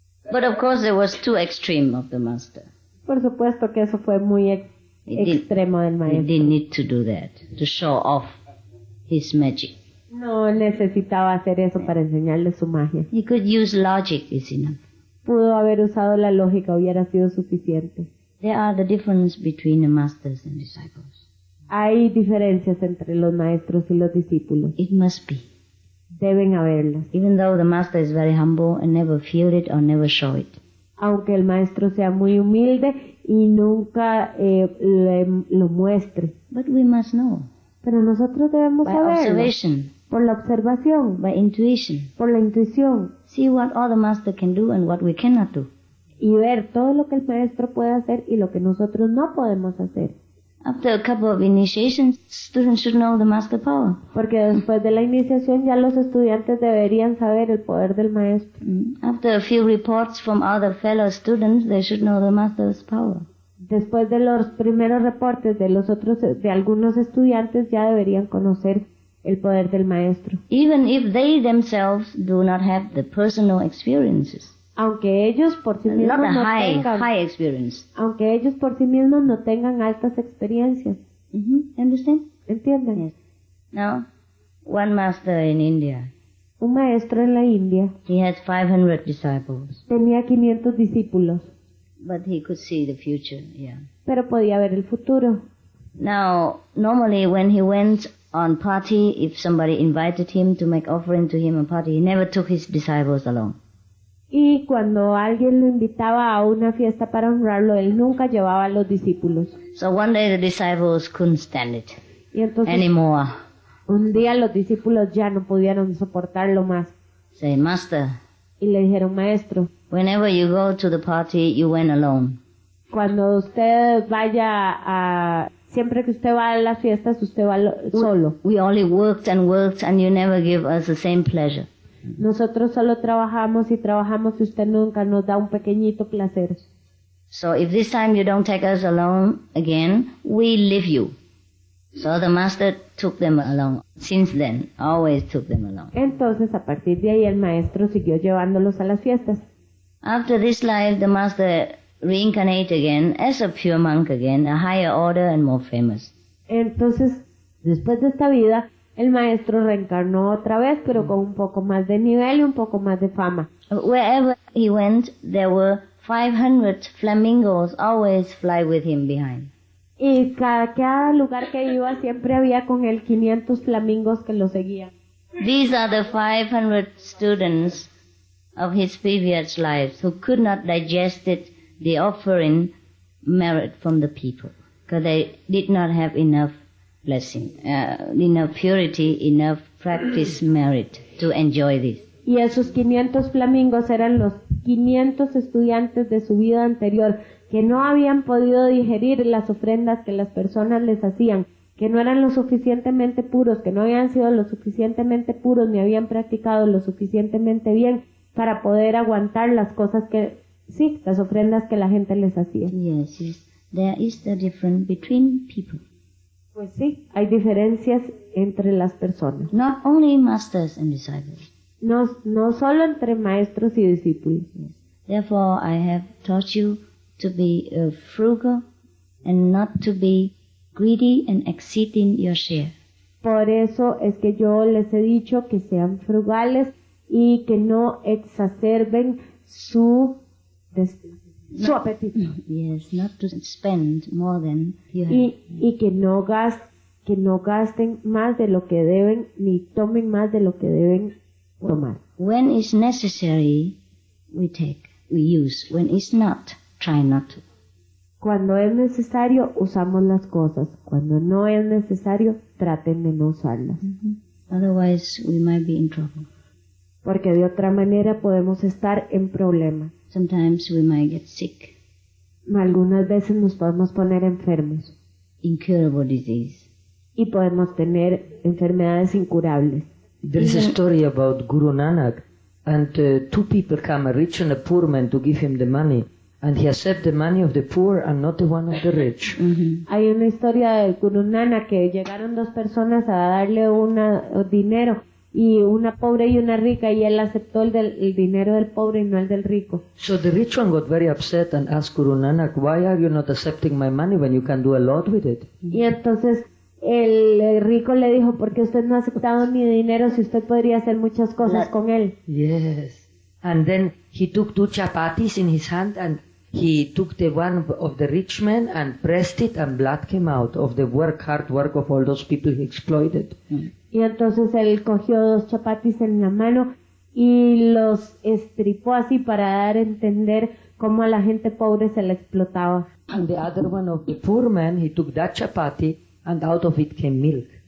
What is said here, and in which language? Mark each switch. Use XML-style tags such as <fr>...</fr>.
<en>But of course there was too extreme of the master.</en> <es>Por supuesto que eso fue muy extremo del maestro.</es> <en>He didn't need to do that, to show off his magic.</en> <es>No necesitaba hacer eso para enseñarle su magia.</es> <en>He could use logic, is enough.</en> <es>Pudo haber usado la lógica, hubiera sido suficiente.</es> <en>There are the differences between the masters and disciples.</en> <es>Hay diferencias entre los maestros y los discípulos.</es> <en>It must be.</en> <es>Deben haberlas.</es> <en>Even though the master is very humble and never feel it or never show it.</en> <es>Aunque el maestro sea muy humilde y nunca lo muestre.</es> <en>But we must know.</en> <es>Pero nosotros debemos</es> <en>by</en> <es>saberlo.</es> <en>Observation.</en> <es>Por la observación.</es> <en>By intuition.</en> <es>Por la intuición.</es> <en>See what all the master can do and what we cannot do.</en> <es>Y ver todo lo que el maestro puede hacer y lo que nosotros no podemos hacer.</es> <en>After a couple of initiations, students should know the master power.</en> <es>Porque después de la iniciación ya los estudiantes deberían saber el poder del maestro.</es> <en>After a few reports from other fellow students, they should know the master's power.</en> <es>Después de los primeros reportes de los otros, de algunos estudiantes, ya deberían conocer el poder del maestro.</es> <en>Even if they themselves do not have the personal experiences.</en> <es>Aunque ellos por sí mismos no tengan</es> <en>high experience.</en> <es>Aunque ellos por sí mismos no tengan altas experiencias.</es> <en>Mm-hmm. Understand?</en> <es>¿Entienden?</es> <en>Yes. Now, one master in India.</en> <es>Un maestro en la India.</es> <en>He had 500 disciples.</en> <es>Tenía 500 discípulos.</es> <en>But he could see the future, yeah.</en> <es>Pero podía ver el futuro.</es> <en>Now, normally when he went on party, if somebody invited him to make offering to him on party, he never took his disciples along.</en> <es>Y cuando alguien lo invitaba a una fiesta para honrarlo, él nunca llevaba a los discípulos.</es> <en>So one day the disciples couldn't stand it</en> <es>y entonces,</es> <en>anymore.</en> <es>Un día los discípulos ya no pudieron soportarlo más.</es> <en>Say, Master.</en> <es>Y le dijeron, Maestro.</es> <en>Whenever you go to the party, you went alone.</en> <es>Cuando usted vaya a... Siempre que usted va a las fiestas, usted va solo.</es> <en>We only worked and worked and you never give us the same pleasure.</en> <es>Nosotros solo trabajamos y trabajamos y usted nunca nos da un pequeñito placer.</es> <en>So if this time you don't take us along again, we leave you. So the master took them along. Since then, always took them along.</en> <es>Entonces, a partir de ahí, el maestro siguió llevándolos a las fiestas.</es> <en>After this life, the master reincarnate again as a pure monk again, a higher order and more famous.</en> <es>Entonces, después de esta vida, el maestro reencarnó otra vez, pero con un poco más de nivel y un poco más de fama.</es> <en>Wherever he went, there were 500 flamingos always fly with him behind.</en> <es>Y cada lugar que iba siempre había con él 500 flamingos que lo seguían.</es> <en>These are the 500 students of his previous lives who could not digest it. The offering merit from the people, because they did not have enough blessing, enough purity, enough practice merit to enjoy this.</en> <es>Y esos 500 flamingos eran los 500 estudiantes de su vida anterior que no habían podido digerir las ofrendas que las personas les hacían, que no eran lo suficientemente puros, que no habían sido lo suficientemente puros ni habían practicado lo suficientemente bien para poder aguantar las cosas que... Sí, las ofrendas que la gente les hacía.</es> <en>Yes, yes. There is a difference between people.</en> <es>Pues sí, hay diferencias entre las personas.</es> <en>Not only masters and disciples.</en> <es>No solo entre maestros y discípulos. Yes.</es> <en>Therefore, I have taught you to be frugal and not to be greedy and exceeding your share.</en> <es>Por eso es que yo les he dicho que sean frugales y que no exacerben su su apetito.</es> <en>Yes, not to spend more than you have.</en> <es>Y que no gasten más de lo que deben ni tomen más de lo que deben tomar.</es> <en>When it's necessary, we take, we use. When it's not, try not to.</en> <es>Cuando es necesario, usamos las cosas. Cuando no es necesario, traten de no usarlas.</es> <en>Mm-hmm. Otherwise, we might be in trouble.</en> <es>Porque de otra manera podemos estar en problemas.</es> <en>Sometimes we might get sick.</en> <es>Algunas veces nos podemos poner enfermos.</es> <en>Incurable disease.</en> <es>Y podemos tener enfermedades incurables.</es> <en>There's a story about Guru Nanak, and two people come, a rich and a poor man, to give him the money, and he accepted the money of the poor and not the one of the rich. Mm-hmm.</en> <es>Hay una historia del Guru Nanak que llegaron dos personas a darle un dinero y una pobre y una rica, y él aceptó el dinero del pobre y no el del rico.</es> <en>So the rich one got very upset and asked Guru Nanak, why are you not accepting my money when you can do a lot with it?</en> <es>Y entonces el rico le dijo, ¿por qué usted no ha aceptado mi dinero si usted podría hacer muchas cosas con él?</es> <en>Yes. And then he took two chapatis in his hand and he took the one of the rich man and pressed it and blood came out of the work, hard work of all those people he exploited.</en> <es>Y entonces él cogió dos chapatis en la mano y los estripó así para dar a entender cómo a la gente pobre se la explotaba.</es> <en>And the other one of the poor man, he took that chapati and out of it came milk.</en>